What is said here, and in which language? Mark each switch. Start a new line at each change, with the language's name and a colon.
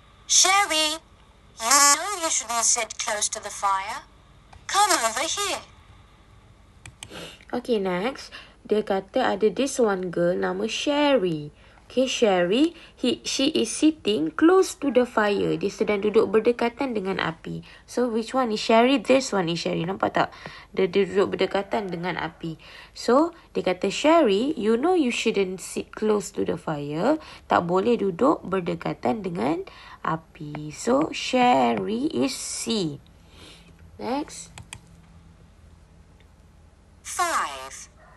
English: Sherry, you know you shouldn't sit close to the fire. Come over here. Okay, next.
Malay: Dia kata ada
English: this one girl nama Sherry. Okay, Sherry, she is sitting close to the fire.
Malay: Dia sedang duduk berdekatan dengan api.
English: So, which one is Sherry? This one is Sherry.
Malay: Nampak tak? Dia duduk berdekatan dengan api.
English: So,
Malay: dia kata,
English: Sherry, you know you shouldn't sit close to the fire.
Malay: Tak boleh duduk berdekatan dengan api.
English: So, Sherry is C. Next. 5.